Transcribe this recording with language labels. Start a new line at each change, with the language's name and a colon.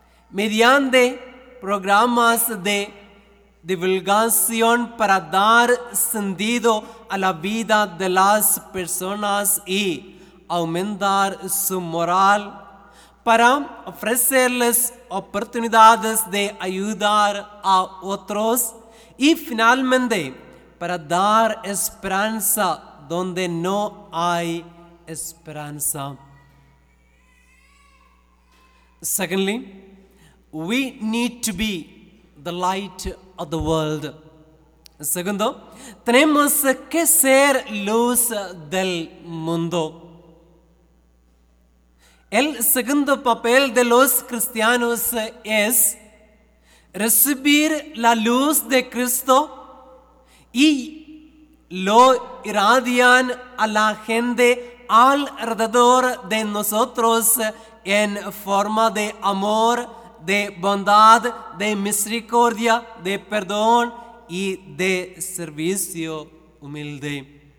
Spanish: mediante programas de divulgación para dar sentido a la vida de las personas y aumentar su moral, para ofrecerles oportunidades de ayudar a otros y finalmente para dar esperanza donde no hay esperanza.
English: Secondly, we need to be the light of the world.
Spanish: Segundo, tenemos que ser luz del mundo. El segundo papel de los cristianos es recibir la luz de Cristo y lo irradian a la gente alrededor de nosotros en forma de amor, de bondad, de misericordia, de perdón y de servicio humilde.